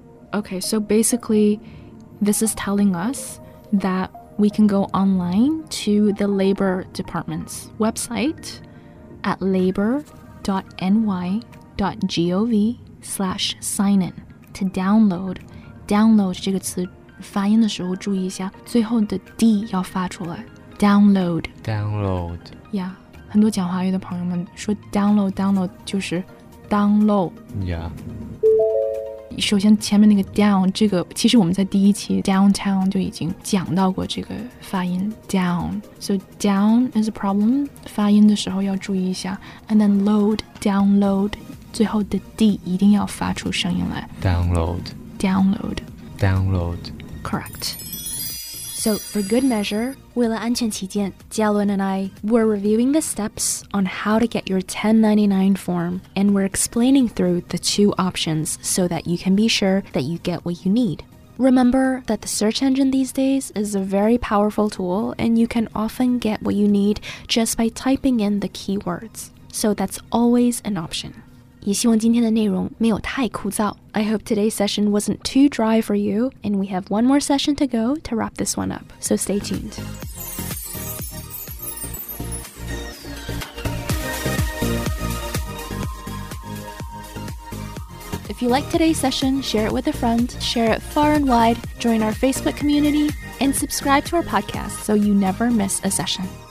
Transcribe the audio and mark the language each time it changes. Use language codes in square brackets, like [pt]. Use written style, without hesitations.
[en] Okay, so basically, this is telling us that we can go online to the Labor Department's website at labor.ny.gov/sign-in to download [zh] 这个词发音的时候注意一下最后的 D 要发出来 download yeah 很多讲华语的朋友们说 [en] download 就是 download yeah [zh] 首先前面那个 down 这个其实我们在第一期 downtown 就已经讲到过这个发音 down [en] so down is a problem [zh] 发音的时候要注意一下 [en] and then download [zh] 最后的 D 一定要发出声音来 [en] download Correct. So, for good measure, [zh] 为了安全起见 [en] Jialun and I were reviewing the steps on how to get your 1099 form, and we're explaining through the two options so that you can be sure that you get what you need. Remember that the search engine these days is a very powerful tool, and you can often get what you need just by typing in the keywords. So that's always an option. [zh] 也希望今天的内容没有太枯燥。 [en] I hope today's session wasn't too dry for you, and we have one more session to go to wrap this one up, so stay tuned. If you like today's session, share it with a friend, share it far and wide, join our Facebook community, and subscribe to our podcast so you never miss a session.